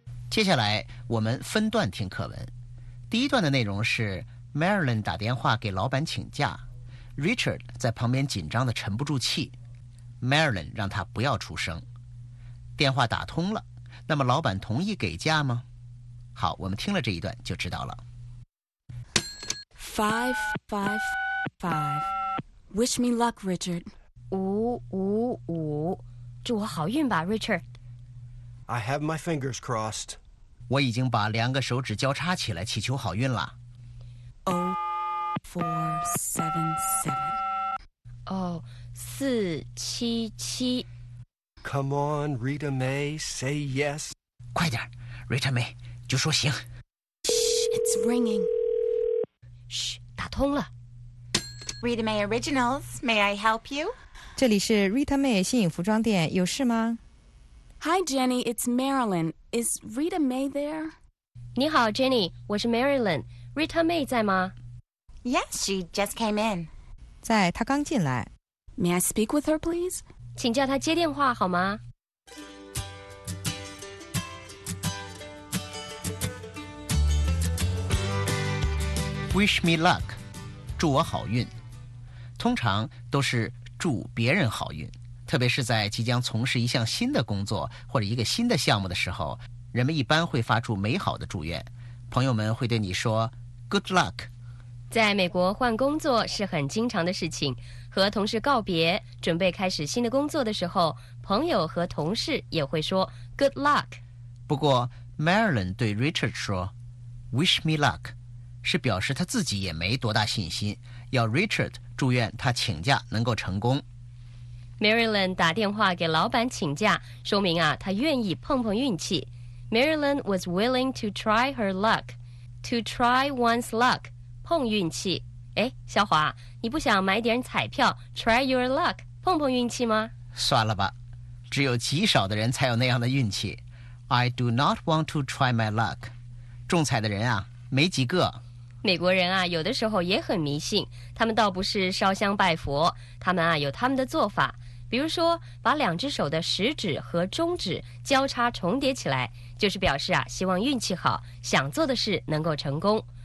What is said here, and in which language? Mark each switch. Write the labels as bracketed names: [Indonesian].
[Chinese] 接下来我们分段听课文。第一段的内容是 Marilyn 打电话给老板请假， Richard 在旁边紧张的沉不住气， Marilyn 让他不要出声。电话打通了，那么老板同意给价吗？好，我们听了这一段就知道了。 [English] 5555 Wish me luck, Richard. [Chinese] 555祝我好运吧 ，Richard. [English] I have my fingers crossed. [Chinese] 我已经把两个手指交叉起来祈求好运了。 0477 477 [English] Come on, Rita May, say yes. [Chinese] 快点 ，Rita May， 就说行。 [English] Shh, it's ringing. [Chinese] Shh, 打通了。 [English] Rita May Originals, may I help you? [Chinese] 这里是 Rita May 新颖服装店，有事吗 [English] ？Hi, Jenny, it's Marilyn. Is Rita May there? [Chinese] 你好 ，Jenny， 我是 Marilyn. Rita May 在吗 [English] ？Yes, she just came in. [Chinese] 在，她刚进来。 [English] May I speak with her, please? [Chinese] 请叫她接电话好吗？ [English] Wish me luck， [Chinese] 祝我好运。通常都是祝别人好运，特别是在即将从事一项新的工作或者一个新的项目的时候，人们一般会发出美好的祝愿。朋友们会对你说 [English] good luck。 [Chinese] 在美国换工作是很经常的事情，和同事告别准备开始新的工作的时候，朋友和同事也会说 [English] good luck。 [Chinese] 不过 Marilyn 对 Richard 说 [English] wish me luck [Chinese] 是表示他自己也没多大信心，要 Richard祝愿他请假能够成功。 Marilyn 打电话给老板请假，说明啊他愿意碰碰运气。 [English] Marilyn was willing to try her luck. To try one's luck， [Chinese] 碰运气。哎，小华，你不想买点彩票 [English] try your luck [Chinese] 碰碰运气吗？算了吧，只有极少的人才有那样的运气。 [English] I do not want to try my luck。 [Chinese] 中彩的人啊没几个。美国人啊有的时候也很迷信，他们倒不是烧香拜佛，他们啊有他们的做法，比如说把两只手的食指和中指交叉重叠起来，就是表示啊希望运气好，想做的事能够成功。